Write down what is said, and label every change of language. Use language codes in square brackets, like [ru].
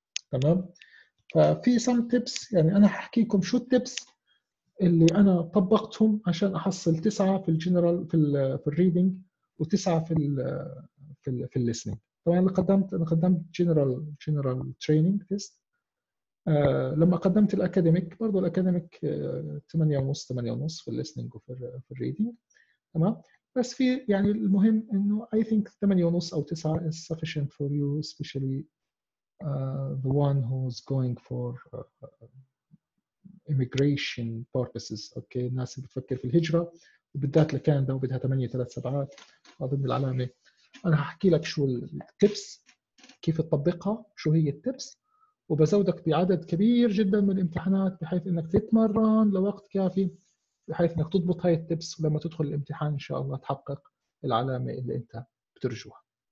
[ar] تمام؟ ففي [en] some tips [ar] يعني أنا هحكيكم شو التيبس اللي أنا طبقتهم عشان أحصل 9 في الجنرال في الريدنج وتسعة في الليسنينج. طبعاً أنا قدمت جنرال تريننج تيست. لما قدمت الأكاديميك برضو الأكاديميك 8.5 في الليسنينج وفي الريدنج. تمام؟ بس في يعني المهم إنه [en] I think 8.5 أو 9 is sufficient for you especially the one who's going for immigration purposes. [ar] Okay, الناس اللي بتفكر في الهجرة وبالذات لكندا وبدها 8.37 أظن العلامة. أنا هحكي لك شو التيبس كيف تطبقها شو هي التيبس وبزودك بعدد كبير جدا من الامتحانات بحيث أنك تتمرن لوقت كافي بحيث أنك تضبط هاي التيبس ولما تدخل الامتحان إن شاء الله تحقق العلامة اللي أنت بترجوها.